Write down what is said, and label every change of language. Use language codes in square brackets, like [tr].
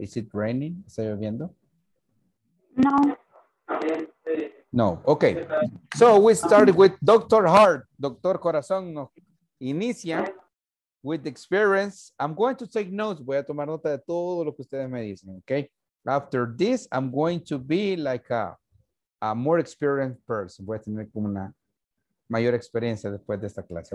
[en] Is it raining? [es] ¿Está lloviendo? [en] No. No, ok. So we started with Dr. Heart. [es] Doctor Corazón nos inicia [en] with experience. I'm going to take notes. [es] Voy a tomar nota de todo lo que ustedes me dicen, ok. [en] After this, I'm going to be like a more experienced person. [es] Voy a tener como una mayor experiencia después de esta clase.